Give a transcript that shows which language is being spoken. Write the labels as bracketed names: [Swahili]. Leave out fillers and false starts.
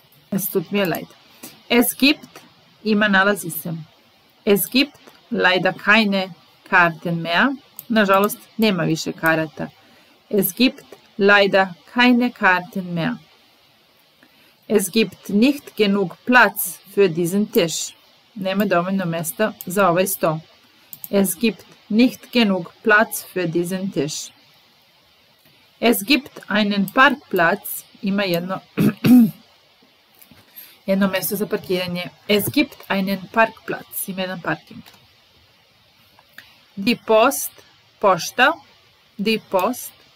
[German] Es tut mir leid. Es gibt, [Serbian] ima nalazi se. [German] Es gibt leider keine Karten mehr. [Serbian] Nažalost, nema više karata. [German] Es gibt leider keine Karten mehr. Es gibt nicht genug Platz für diesen Tisch. [Serbian] Nema dovoljno mesta za ovaj sto. [German] Es gibt nicht genug Platz für diesen Tisch. Es gibt einen Parkplatz. [Serbian] Ima jedno Jedno mesto za parkiranje. [German] Es gibt einen Parkplatz. [Serbian] Ima jedan parking. [German] Die Post. [Serbian] Pošta. [German] Die Post.